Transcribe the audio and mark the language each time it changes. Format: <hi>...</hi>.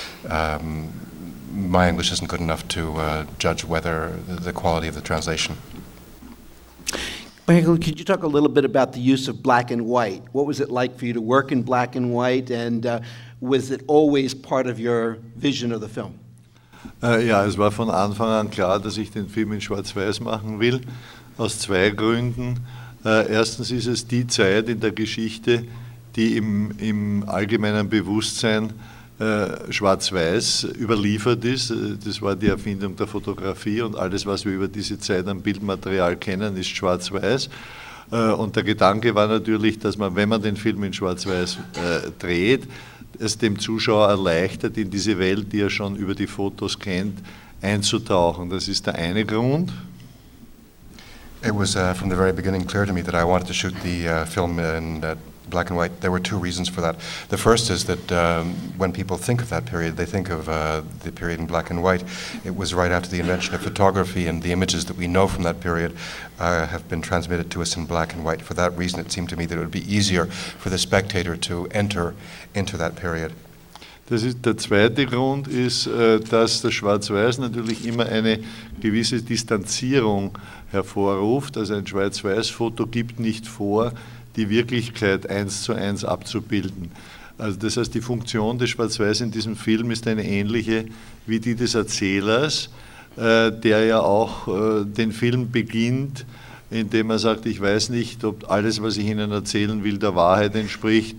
<en>My English isn't good enough to judge whether the quality of the translation. Michael, could you talk a little bit about the use of black and white? What was it like for you to work in black and white, and was it always part of your vision of the film?</en> <de>Ja, es war von Anfang an klar, dass ich den Film in Schwarz-Weiß machen will, aus zwei Gründen. Erstens ist es die Zeit in der Geschichte, die im allgemeinen Bewusstsein Schwarz-Weiß überliefert ist. Das war die Erfindung der Fotografie und alles, was wir über diese Zeit an Bildmaterial kennen, ist Schwarz-Weiß. Und der Gedanke war natürlich, dass man, wenn man den Film in Schwarz-Weiß dreht, es dem Zuschauer erleichtert, in diese Welt, die er schon über die Fotos kennt, einzutauchen. Das ist der eine Grund.</de> <en>It was from the very beginning clear to me that I wanted to shoot the film in that black and white. There were two reasons for that. The first is that when people think of that period, they think of the period in black and white. It was right after the invention of photography, and the images that we know from that period have been transmitted to us in black and white. For that reason, it seemed to me that it would be easier for the spectator to enter into that period.</en> <de>Das ist der zweite Grund ist, dass das Schwarz-Weiß natürlich immer eine gewisse Distanzierung hervorruft. Also ein Schwarz-Weiß-Foto gibt nicht vor, die Wirklichkeit eins zu eins abzubilden. Also das heißt, die Funktion des Schwarz-Weiß in diesem Film ist eine ähnliche wie die des Erzählers, der ja auch den Film beginnt, indem er sagt, ich weiß nicht, ob alles, was ich Ihnen erzählen will, der Wahrheit entspricht.</de>